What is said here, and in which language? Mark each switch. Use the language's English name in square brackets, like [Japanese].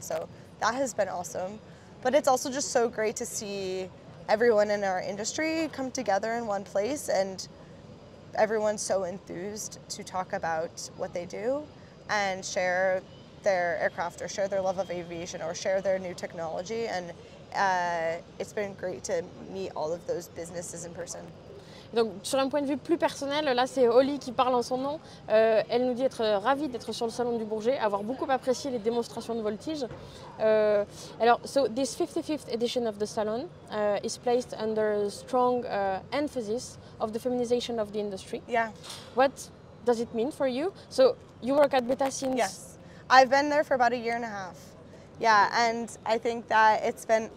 [English] So that has been awesome. But it's also just so great to see everyone in our industry come together in one place, and everyone's so enthused to talk about what they do and share their aircraft or share their love of aviation or share their new technology. And it's been great to meet all of those businesses in person. [French] Donc, sur un point de vue plus personnel, là, c'est Holly qui parle en son nom. Elle nous dit être ravie d'être sur le salon du Bourget, avoir beaucoup apprécié les démonstrations de voltige. [English] This 55th edition of the salon is placed under strong emphasis of the feminization of the industry. Yeah. What does it mean for you? So, you work at Beta since... Yes. I've been there for about a year and a half. Yeah, and I think that it's been...